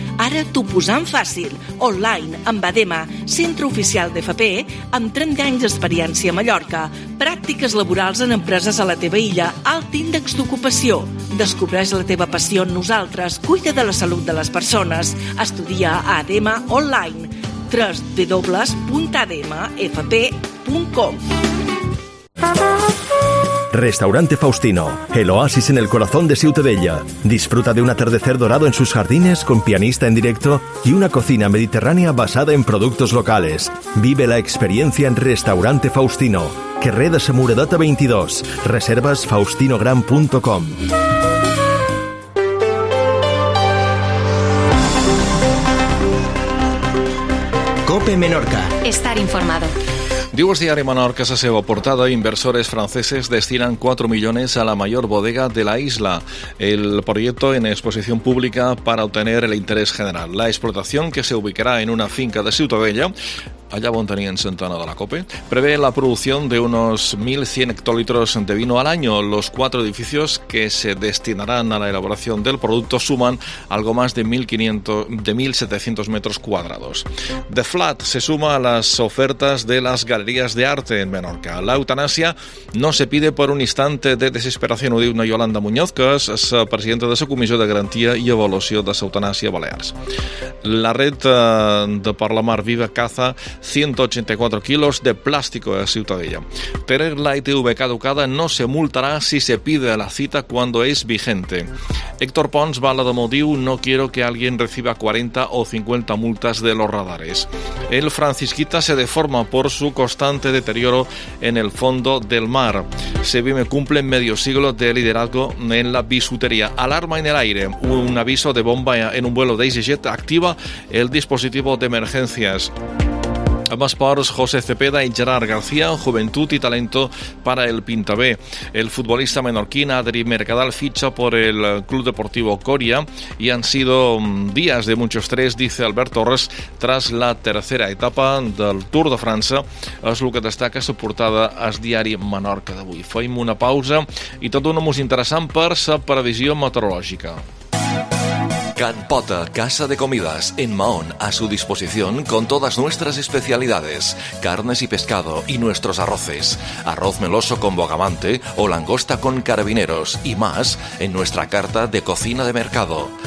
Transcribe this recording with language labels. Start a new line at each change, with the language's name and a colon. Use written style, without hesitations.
Catalan: Ara t'ho posam fàcil, online, amb ADEMA, centre oficial d'FP, amb 30 anys d'experiència a Mallorca, pràctiques laborals en empreses a la teva illa, alt índex d'ocupació. Descobreix la teva passió en nosaltres, cuida de la salut de les persones, estudia a ADEMA online, www.ademafp.com.
Spanish: Restaurante Faustino, el oasis en el corazón de Ciutadella. Disfruta de un atardecer dorado en sus jardines con pianista en directo y una cocina mediterránea basada en productos locales. Vive la experiencia en Restaurante Faustino, Carrer de Samuredata 22, reservas faustinogran.com. COPE Menorca. Estar informado.
Catalan: Diu el diari Menorca, la seva portada,
Spanish: inversores franceses destinen 4 millones a la mayor bodega de la isla. El proyecto en exposición pública para obtener el interés general. La explotación, que se ubicará en una finca de Ciutadella, allá on tenien Santana de la COPE, prevé la producción de unos 1.100 hectolitros de vino al año. Los 4 edificios que se destinarán a la elaboración del producto suman algo más de 1.700 metros cuadrados. The Flat se suma a las ofertas de las galerías de arte en Menorca. La eutanasia no se pide por un instante de desesperación,
Catalan: ho diu una Yolanda Muñoz, que és presidenta de la Comissió de Garantia i Evaluació de l'Eutanàsia Balears.
Spanish: La red de Parlamar Viva Caza 184 kilos de plástico a Ciutadella. Tener la ITV caducada no se multará si se pide la cita cuando es vigente. Héctor Pons, Valadomo, diu, no quiero que alguien reciba 40 o 50 multas de los radares. El Francisquita se deforma por su constante deterioro en el fondo del mar. Sevime cumple medio siglo de liderazgo en la bisutería. Alarma en el aire. Un aviso de bomba en un vuelo de EasyJet activa el dispositivo de emergencias.
Catalan: Amb esports, José Cepeda i Gerard García, joventut i talento para el Pintabé.
Spanish: El futbolista menorquín Adri Mercadal ficha por el Club Deportivo Coria y han sido días de mucho estrés, dice Albert Torres, tras la tercera etapa del Tour de França.
Catalan: És el que destaca la portada al diari Menorca d'avui. Fem una pausa i tot un mos interessant per la previsió meteorològica.
Spanish: Can Pota, casa de comidas, en Mahón, a su disposición con todas nuestras especialidades, carnes y pescado y nuestros arroces, arroz meloso con bogamante o langosta con carabineros y más en nuestra carta de cocina de mercado.